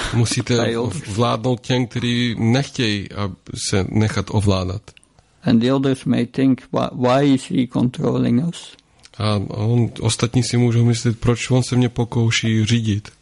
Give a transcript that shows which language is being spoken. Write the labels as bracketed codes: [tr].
[cs] Musíte vládnout těm, kteří nechtějí se nechat ovládat. [en] And the others may think, why is he controlling us? [cs] A on, ostatní si můžou myslet, proč on se mě pokouší řídit.